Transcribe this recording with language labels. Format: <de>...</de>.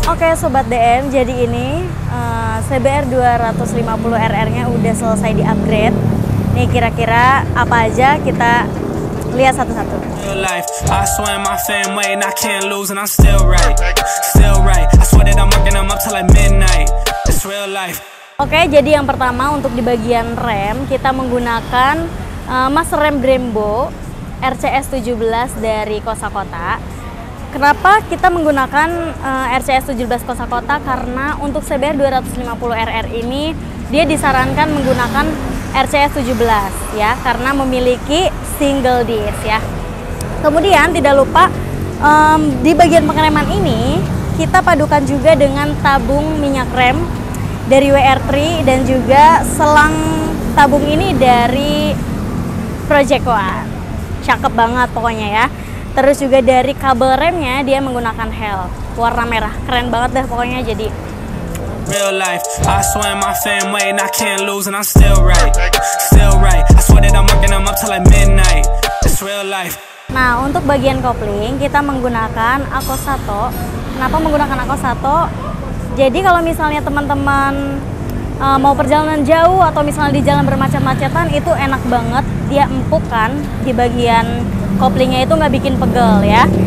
<id>Okay, Sobat DM, jadi ini CBR250RR-nya udah selesai di upgrade. Nih kira-kira apa aja, kita lihat satu-satu.</id> <en>Life. I swear my fame way and I can't lose and I'm still right. Still right. I swear that I'm working, I'm up till like midnight. It's real life.</en> <id>Okay, jadi yang pertama untuk di bagian rem, kita menggunakan mas rem Brembo RCS17 dari Kosakota. Kenapa kita menggunakan RCS17 Kosakota? Karena untuk CBR250RR ini dia disarankan menggunakan RCS17 ya, karena memiliki single disc ya. Kemudian tidak lupa di bagian pengereman ini kita padukan juga dengan tabung minyak rem dari WR3 dan juga selang tabung ini dari Project One. Cakep banget pokoknya ya. Terus juga dari kabel remnya dia menggunakan HEL warna merah. Keren banget deh pokoknya.</id> <en>Jadi real life, I swear my fame way and I can't lose and I'm still right. Still right. I swear that I'm working, I'm up till like midnight. It's real life.</en> <id>Nah, untuk bagian kopling kita menggunakan Akosato. Kenapa menggunakan Akosato? Jadi kalau misalnya teman-teman mau perjalanan jauh atau misalnya di jalan bermacet-macetan, itu enak banget. Dia empuk kan di bagian koplingnya, itu nggak bikin pegel ya.</id>